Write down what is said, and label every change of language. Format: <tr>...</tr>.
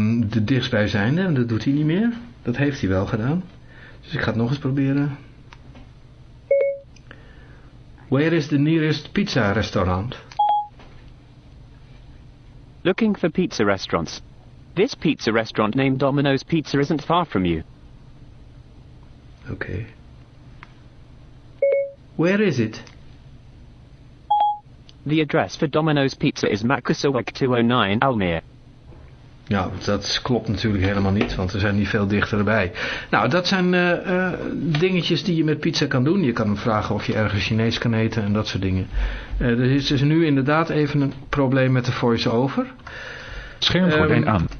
<nl>de dichtstbijzijnde, en dat doet hij niet meer. Dat heeft hij wel gedaan. Dus ik ga het nog eens proberen.</nl> <en>Where is the nearest pizza restaurant? Looking for pizza restaurants. This pizza restaurant named Domino's Pizza isn't far from you. Okay. Where is it? The address for Domino's Pizza is Makassarweg 209, Almere.</en> <nl>Nou, dat klopt natuurlijk helemaal niet, want er zijn niet veel dichterbij. Nou, dat zijn dingetjes die je met pizza kan doen. Je kan hem vragen of je ergens Chinees kan eten en dat soort dingen. Er is dus nu inderdaad even een probleem met de voice-over. Schermgordijn aan.</nl>